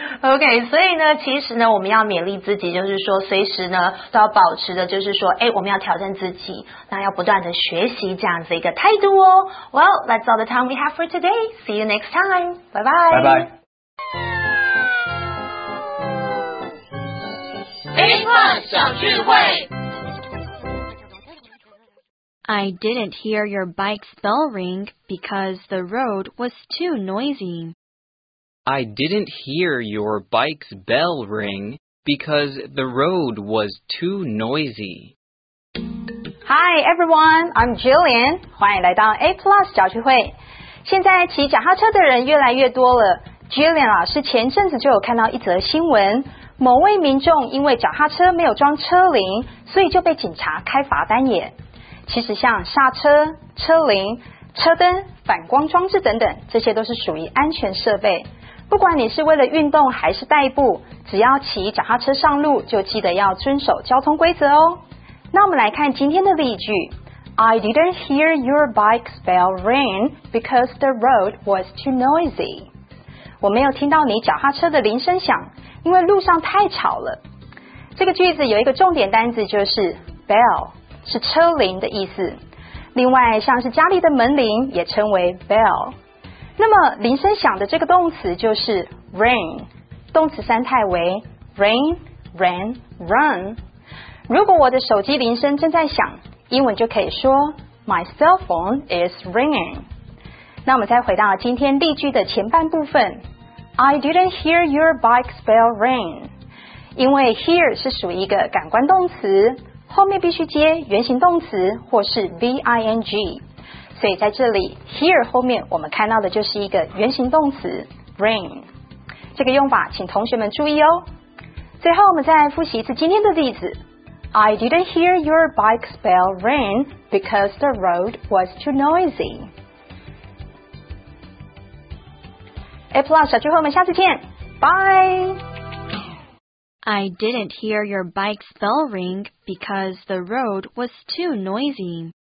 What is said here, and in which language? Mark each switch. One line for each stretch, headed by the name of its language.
Chinese: Okay, 所以呢，其实呢，我们要勉励自己，就是说，随时呢都要保持的，就是说，哎，我们要挑战自己，那要不断的学习这样子一个态度哦。
English: Well, that's all the time we have for today. See you next time. Bye bye. Bye bye.
Chinese: 碰小聚会。
English: I didn't hear your bike's bell ring because the road was too noisy. I didn't hear your bike's bell ring because the road was too noisy. Hi everyone, I'm Jillian.
Chinese: 欢迎来到 A Plus 小聚会。现在骑脚踏车的人越来越多了。Jillian 老师前阵子就有看到一则新闻，某位民众因为脚踏车没有装车铃，所以就被警察开罚单耶。其实像刹车、车铃、车灯、反光装置等等，这些都是属于安全设备。不管你是为了运动还是代步，只要骑脚踏车上路，就记得要遵守交通规则哦。那我们来看今天的例句。
English: I didn't hear your bike's bell ring because the road was too noisy.
Chinese: 我没有听到你脚踏车的铃声响，因为路上太吵了。这个句子有一个重点单字，就是 bell，是车铃的意思。另外像是家里的门铃也称为 bell。那么铃声响的这个动词就是 ring， 动词三态为 ring, ran, run。如果我的手机铃声正在响，英文就可以说
English: My cell phone is ringing。
Chinese: 那我们再回到今天例句的前半部分。
English: I didn't hear your bike's bell ring。
Chinese: 因为 hear 是属于一个感官动词，后面必须接原形动词或是 ving， 所以在这里 hear 后面我们看到的就是一个原形动词 ring， 这个用法请同学们注意哦。最后我们再复习一次今天的例子。
English: I didn't hear your bike's bell ring because the road was too noisy.
Chinese: A Plus 小聚会我们下次见， Bye。
English: I didn't hear your bike's bell ring because the road was too noisy.